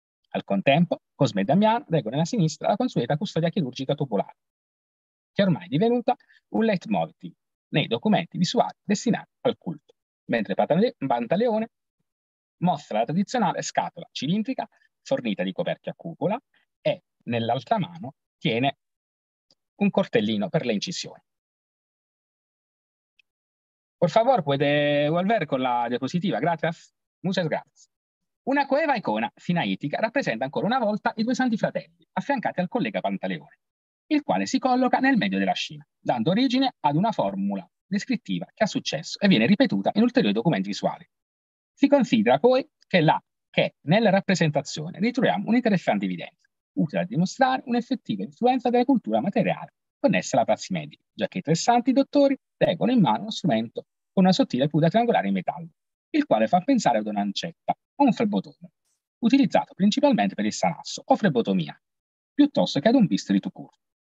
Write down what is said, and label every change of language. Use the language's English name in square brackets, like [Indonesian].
[Italian] Al contempo, Cosme e Damiano reggono nella sinistra la consueta custodia chirurgica tubulare, che è ormai divenuta un leitmotiv nei documenti visuali destinati al culto, mentre Pantaleone mostra la tradizionale scatola cilindrica fornita di coperchio a cupola e nell'altra mano tiene un cortellino per le incisioni. [Spanish] Por favor, puede volver con la diapositiva. Gracias. Muchas gracias. [Italian] Una coeva icona sinaitica rappresenta ancora una volta i due santi fratelli affiancati al collega Pantaleone, il quale si colloca nel medio della scena, dando origine ad una formula descrittiva che ha successo e viene ripetuta in ulteriori documenti visuali. Si considera poi che nella rappresentazione ritroviamo un'interessante evidenza, utile a dimostrare un'effettiva influenza della cultura materiale connessa alla prassi medica, già che i tre santi dottori tengono in mano uno strumento con una sottile cuda triangolare in metallo, il quale fa pensare ad un'ancetta o un flebotone, utilizzato principalmente per il sanasso o flebotomia, piuttosto che ad un bisturi tout court.